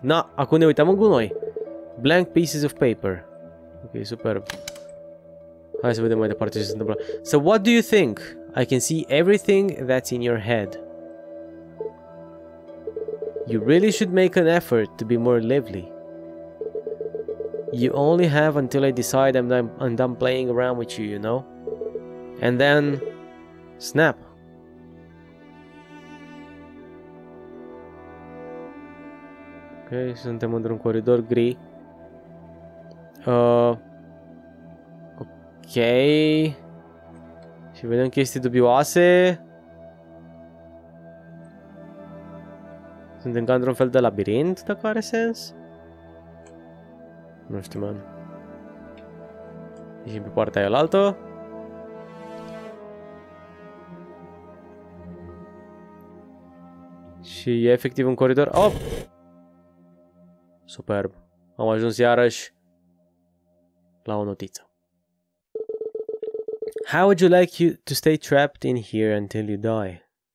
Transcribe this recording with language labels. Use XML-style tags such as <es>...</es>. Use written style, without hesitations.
<ro>Na, acum ne uităm în gunoi.</ro> <en>Blank pieces of paper. Ok, superb.</en> <ro>Hai să vedem mai departe ce se întâmplă.</ro> <en>So what do you think? I can see everything that's in your head. You really should make an effort to be more lively. You only have until I decide I'm playing around with you, you know? And then... Snap.</en> <ro>Ok, suntem într-un coridor gri. Ok. Și vedem chestii dubioase. Suntem ca într-un fel de labirint, dacă are sens. Nu știu, man. Ieșim pe partea aia altă. Și e efectiv un coridor. Op! Superb. Am ajuns iarăși la o notiță.</ro> <en>How would you like you to stay trapped in here until you die?</en>